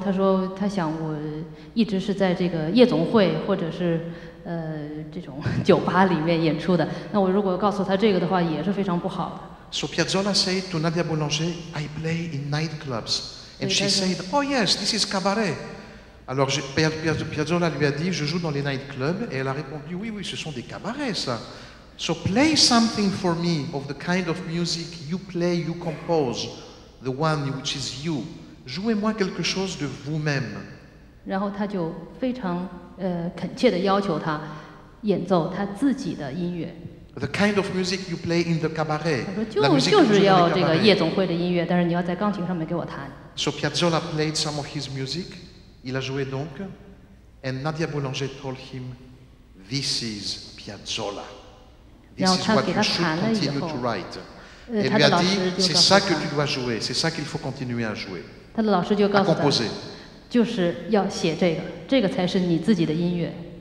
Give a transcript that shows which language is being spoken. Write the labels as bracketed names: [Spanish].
[Chinese] 他说：“他想我一直是在这个夜总会或者是这种酒吧里面演出的。那我如果告诉他这个的话，也是非常不好的。” [English] So Piazzolla said to Nadia Boulanger, "I play in nightclubs," and she said, "Oh yes, this is cabaret." [French] Alors Piazzolla lui a dit, je joue dans les nightclubs, et elle a répondu, oui, oui, ce sont des cabarets, ça. [English] So play something for me of the kind of music you play, you compose, the one which is you. [French] Jouez-moi quelque chose de vous-même. [Chinese] 然后他就非常恳切地要求他演奏他自己的音乐。 [English] The kind of music you play in the cabaret. [Chinese] 他说就是要这个夜总会的音乐，但是你要在钢琴上面给我弹。 [English] So Piazzolla played some of his music. [French] Il a joué donc, [English] and Nadia Boulanger told him, "This is Piazzolla. This is what you should continue to write." [French] Elle lui a dit, "C'est ça que tu dois jouer. C'est ça qu'il faut continuer à jouer." [Chinese] 他的老师就告诉他 [French] à composer. [Chinese] 就是要写这个，这个才是你自己的音乐。